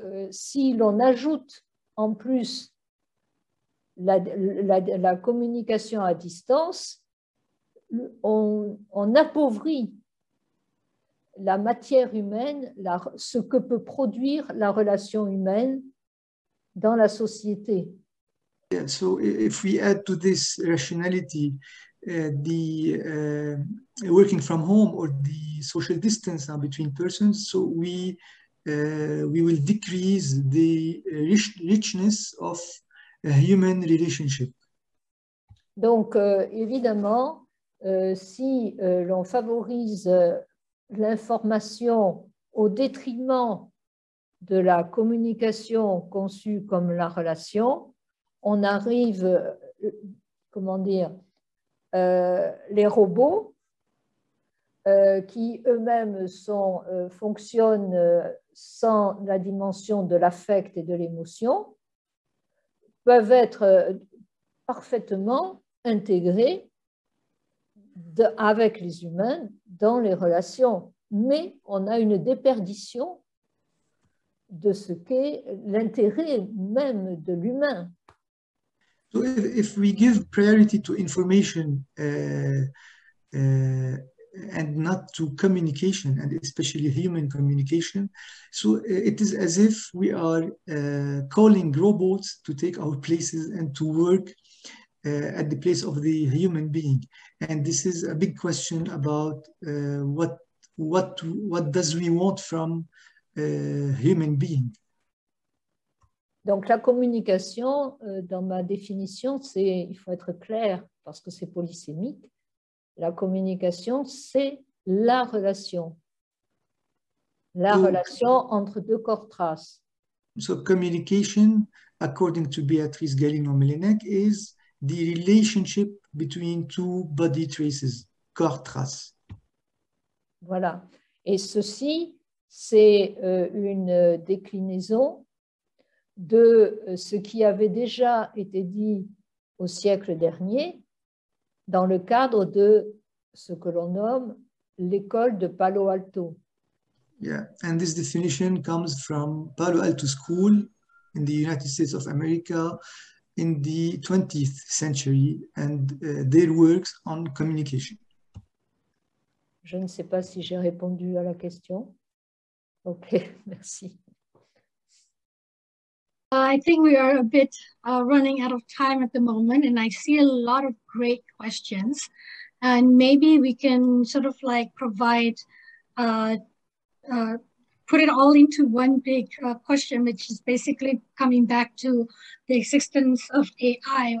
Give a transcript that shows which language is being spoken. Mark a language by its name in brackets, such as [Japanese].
[French] Si l'on ajoute en plus la communication à distance, on appauvrit la matière humaine, ce que peut produire la relation humaine dans la société. [English] Yeah, so if we add to this rationality, the working from home or the social distance between persons, so we will decrease the richness of a human relationship. [French] Donc, évidemment, si l'on favorise l'information au détriment de la communication conçue comme la relation, on arrive, comment dire, les robots qui eux-mêmes fonctionnent sans la dimension de l'affect et de l'émotion, peuvent être parfaitement intégrés avec les humains dans les relations, mais on a une déperdition de ce qu'est l'intérêt même de l'humain. [English] So if we give priority to information and not to communication, and especially human communication, so it is as if we are calling robots to take our places and to work at the place of the human being. And this is a big question about what does we want from a human being. [French] Donc la communication, dans ma définition, il faut être clair, parce que c'est polysémique, la communication, c'est la relation. Relation entre deux corps traces. [English] So communication, according to Beatrice Galinon-Mélenec, is the relationship between two body traces, corps traces. [French] Voilà. Et ceci, c'est une déclinaison de ce qui avait déjà été dit au siècle dernier dans le cadre de ce que l'on nomme l'école de Palo Alto. [English] Yeah, and this definition comes from Palo Alto School in the United States of America in the 20th century and their works on communication. [French] Je ne sais pas si j'ai répondu à la question. OK, merci. [English] I think we are a bit running out of time at the moment, and I see a lot of great questions. And maybe we can sort of like provide, put it all into one big question, which is basically coming back to the existence of AI.